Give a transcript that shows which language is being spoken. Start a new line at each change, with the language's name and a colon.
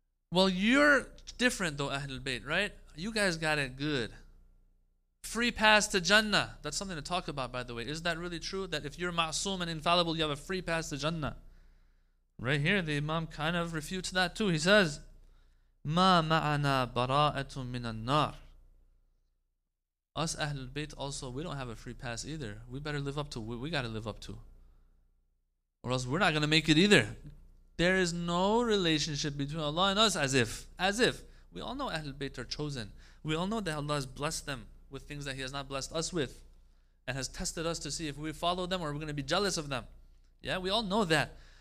English: Well, you're different though, Ahlul Bayt, right? You guys got it good. Free pass to Jannah. That's something to talk about, by the way. Is that really true? That if you're ma'soom and infallible, you have a free pass to Jannah. Right here, the Imam kind of refutes that too. He says,
Arabic: مَا مَعَنَا بَرَاءَةٌ مِنَ النَّارِ.
English: Us Ahlul Bayt also, we don't have a free pass either. We better live up to what we got to live up to. Or else we're not going to make it either. There is no relationship between Allah and us as if. We all know Ahlul Bayt are chosen. We all know that Allah has blessed them with things that he has not blessed us with, and has tested us to see if we follow them or we're going to be jealous of them. Yeah, we all know that.